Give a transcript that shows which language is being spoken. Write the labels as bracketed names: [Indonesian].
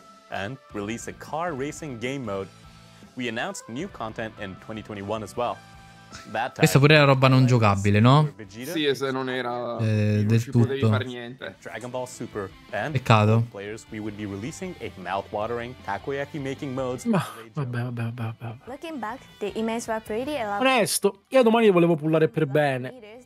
[English] And release a car racing game mode. We announced new content in 2021 as well. [Italian] Questa pure era roba non giocabile, no? Sì, se non era del tutto. Dragon Ball Super. Peccato. [English] Players, we would be releasing a mouth-watering takoyaki making modes. [Italian] Vabbè. [English] Looking back, the image was pretty elaborate. [Italian] Onesto, io domani volevo pullare per bene.